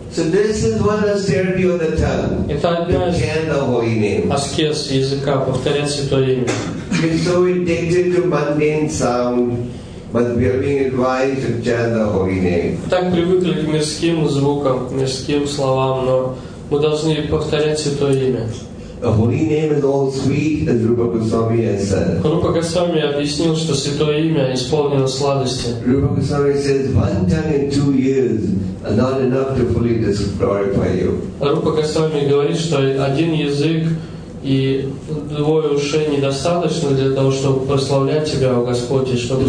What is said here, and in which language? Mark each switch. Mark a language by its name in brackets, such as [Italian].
[English] So this is one austerity of the tongue. [Russian] Это одна из аскез языка, повторять святое имя. [English] We're so addicted to mundane sound, but we are being advised to chant the holy name. [Russian] Так привыкли к мирским звукам, мирским словам, но мы должны повторять святое имя. [English] The holy name is all sweet, as Rupa Goswami has said. [Russian] Rupa Goswami объяснил, что святое имя исполнено сладости. [English] Rupa Goswami says, one tongue in 2 years are not enough to fully glorify you. [Russian] Rupa Goswami говорит, что один язык и двое ушей недостаточно для того, чтобы прославлять тебя, о Господи, чтобы